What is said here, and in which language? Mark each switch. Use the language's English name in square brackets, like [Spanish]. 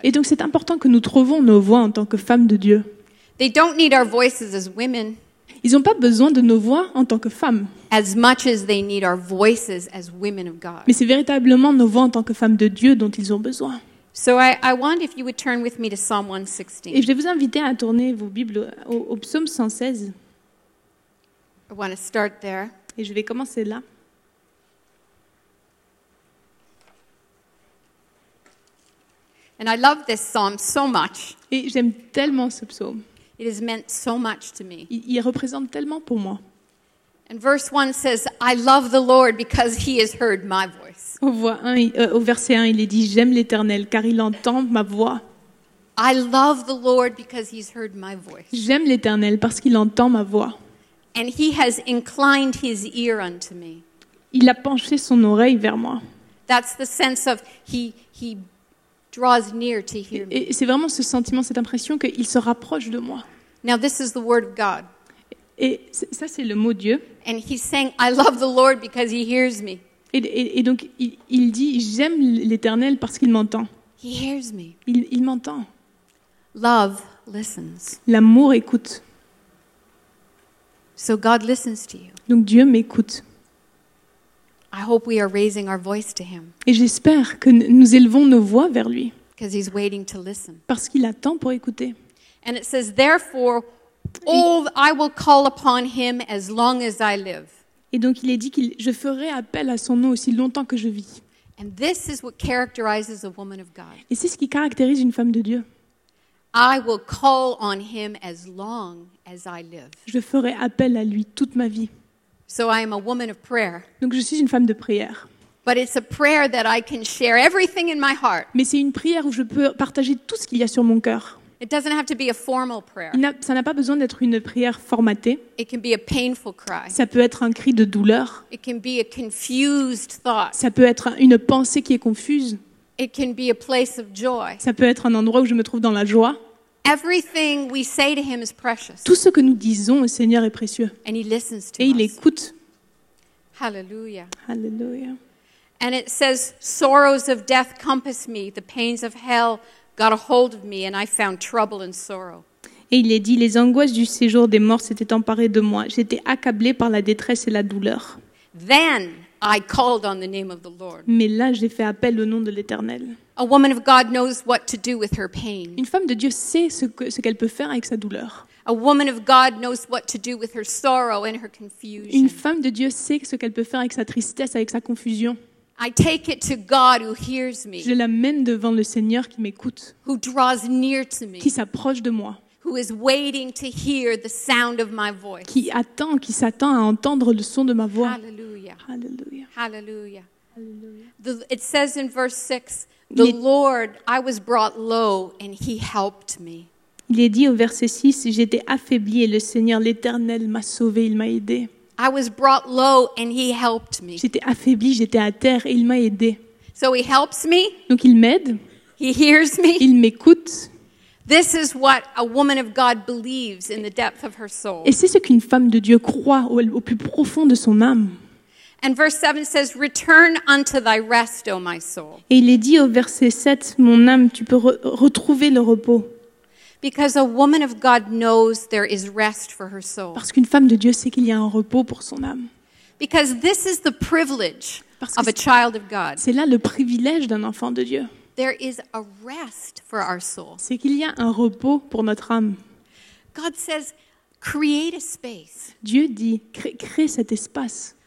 [French] Et donc c'est important que nous trouvions nos voix en tant que femmes de Dieu. [English] They don't need our voices as women. [French] Ils n'ont pas besoin de nos voix en tant que femmes. [English] As much as they need our voices as women of God. [French] Mais c'est véritablement nos voix en tant que femmes de Dieu dont ils ont besoin. [English] So I wonder if you would turn with me to Psalm 116. [French] Et je vais vous inviter à tourner vos Bibles au psaume 116. [English] I want to start there. [French] Et je vais commencer là. [English] And I love this psalm so much. [French] Et j'aime tellement ce psaume. [English] It has meant so much to me. [French] Il représente tellement pour moi. [English] And verse 1 says, I love the Lord because he has heard my voice. [French] Au verset 1, il est dit, j'aime l'Éternel car il entend ma voix. [English] I love the Lord because he's heard my voice. [French] J'aime l'Éternel parce qu'il entend ma voix. [English] And he has inclined his ear unto me. [French] Il a penché son oreille vers moi. [English] That's the sense of he draws near to hear me. [French] Et c'est vraiment ce sentiment, cette impression qu'il se rapproche de moi. [English] Now this is the word of God. [French] Et ça c'est le mot Dieu. [English] And he's saying, I love the Lord because he hears me. [French] Et donc il dit, j'aime l'Éternel parce qu'il m'entend. [English] He hears me. [French] Il m'entend. [English] Love listens. [French] L'amour écoute. [English] So God listens to you. [French] Donc Dieu m'écoute. [English] I hope we are raising our voice to him. [French] Et j'espère que nous élevons nos voix vers lui. [English] Because he's waiting to listen. [French] Parce qu'il attend pour écouter. [English] And it says, therefore, I will call upon him as long as I live. [French] Et donc il est dit je ferai appel à son nom aussi longtemps que je vis. [English] And this is what characterizes a woman of God. [French] Et c'est ce qui caractérise une femme de Dieu. [English] I will call on him as long as I live. [French] Je ferai appel à lui toute ma vie. [English] So I am a woman of prayer. [French] Donc je suis une femme de prière. [English] But it's a prayer that I can share everything in my heart. [French] Mais c'est une prière où je peux partager tout ce qu'il y a sur mon cœur. [English] It doesn't have to be a formal prayer. [French] Ça n'a pas besoin d'être une prière formatée. [English] It can be a painful cry. [French] Ça peut être un cri de douleur. [English] It can be a confused thought. [French] Ça peut être une pensée qui est confuse. [English] It can be a place of joy. [French] Ça peut être un endroit où je me trouve dans la joie. [English] Everything we say to him is precious. [French] Tout ce que nous disons au Seigneur est précieux. [English] And he listens to [French] us. Et il écoute. Hallelujah. Hallelujah. [English] And it says, sorrows of death compass me, the pains of hell got a hold of me, and I found trouble and sorrow. [French] Et il est dit, les angoisses du séjour des morts s'étaient emparées de moi. J'étais accablé par la détresse et la douleur. [English] Then I called on the name of the Lord. [French] Mais là, j'ai fait appel au nom de l'Éternel. [English] A woman of God knows what to do with her pain. [French] Une femme de Dieu sait ce qu'elle peut faire avec sa douleur. [English] A woman of God knows what to do with her sorrow and her confusion. [French] Une femme de Dieu sait ce qu'elle peut faire avec sa tristesse, avec sa confusion. [English] I take it to God who hears me. [French] Je l'amène devant le Seigneur qui m'écoute. [English] Who draws near to me. [French] Qui s'approche de moi. [English] Who is waiting to hear the sound of my voice. [French] Qui attend, qui s'attend à entendre le son de ma voix. Hallelujah. Hallelujah. Hallelujah. [English] It says in verse 6, The Lord, I was brought low, and he helped me. [French] Il est dit au verset 6, j'étais affaibli, et le Seigneur, l'Éternel, m'a sauvé, il m'a aidé. [English] I was brought low, and he helped me. [French] J'étais affaibli, j'étais à terre, et il m'a aidé. [English] So he helps me. [French] Donc il m'aide. [English] He hears me. [French] Il m'écoute. [English] This is what a woman of God believes in the depth of her soul. [French] Et c'est ce qu'une femme de Dieu croit au plus profond de son âme. [English] And verse 7 says, "Return unto thy rest, O my soul." [French] Et il est dit au verset 7, mon âme, tu peux retrouver le repos. [English] Because a woman of God knows there is rest for her soul. [French] Parce qu'une femme de Dieu sait qu'il y a un repos pour son âme. [English] Because this is the privilege of a child of God. [French] C'est là le privilège d'un enfant de Dieu. [English] There is a rest for our soul. [French] C'est qu'il y a un repos pour notre âme. [English] God says, "Create a space." [French] Dieu dit, crée cet espace.